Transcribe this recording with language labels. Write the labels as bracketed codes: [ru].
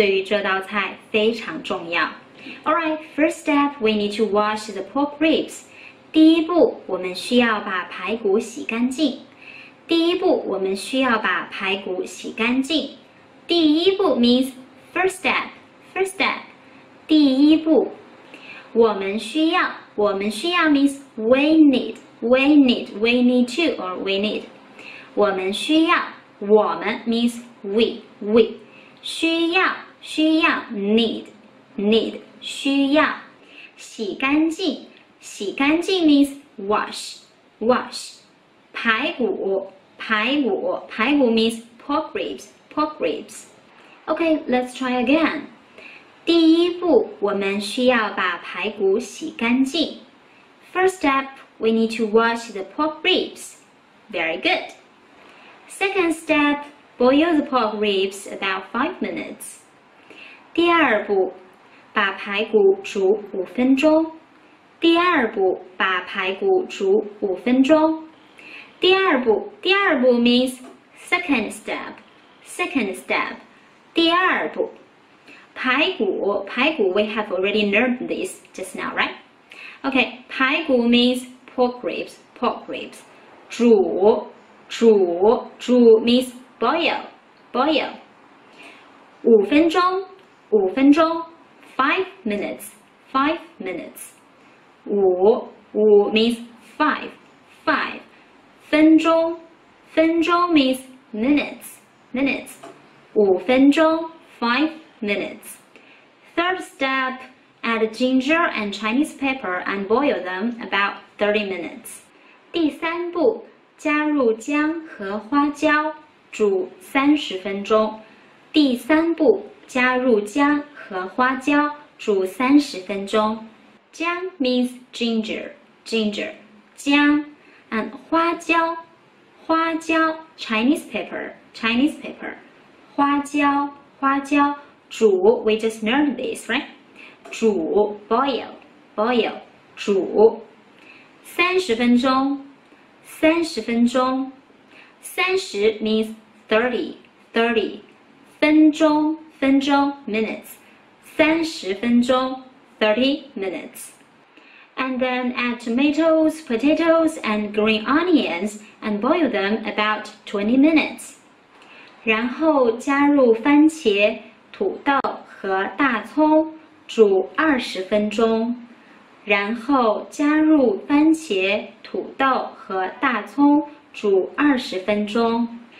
[zh] 他们对于这道菜非常重要。 [en] Alright, first step, we need to wash the pork ribs. [zh] 第一步，我们需要把排骨洗干净。第一步 [en] means first step. [zh] 第一步，我们需要我们需要 [en] means we need, we need, we need to, or we need. [zh] 我们需要，我们 [en] means we, we. [zh] 需要，需要 [en] need, need, [zh] 需要。洗干净，洗干净 [en] means wash, wash. [zh] 排骨，排骨，排骨 [en] means pork ribs, pork ribs. Okay, let's try again. [zh] 第一步，我们需要把排骨洗干净。 [en] First step, we need to wash the pork ribs. Very good. Second step, boil the pork ribs about 5 minutes. [zh] 第二步，把排骨煮五分钟。第二步，把排骨煮五分钟。第二步，第二步 [en] means second step, second step. [zh] 第二步。排骨，排骨 [en] we have already learned this just now, right? Okay, 排骨 means pork ribs, pork ribs. [zh] 煮，煮，煮 [en] means boil, boil. [zh] 五分钟，五分钟 [en] five minutes, five minutes. [zh] 五，五 [en] means five, five. [zh] 分钟，分钟 [en] means minutes, minutes. [zh] 五分钟 [en] five minutes. Third step, add ginger and Chinese pepper and boil them about 30 minutes. [zh] 第三步，加入姜和花椒，煮30分钟。第三步，加入姜和花椒，煮30分钟。 [en] 姜 means ginger, ginger, 姜 and [zh] 花椒，花椒 [en] Chinese pepper, Chinese pepper, [zh] 花椒，花椒煮 [en] we just learned this, right? 煮 boil, boil, [zh] 煮30分钟30分钟30 [en] means 30, 30, [zh] 分钟分钟 [en] minutes, [zh] 30分钟 [en] 30 minutes. And then add tomatoes, potatoes, and green onions and boil them about 20 minutes. [zh] 然后加入番茄土豆和大葱煮20分钟，然后加入番茄、土豆和大葱煮20分钟。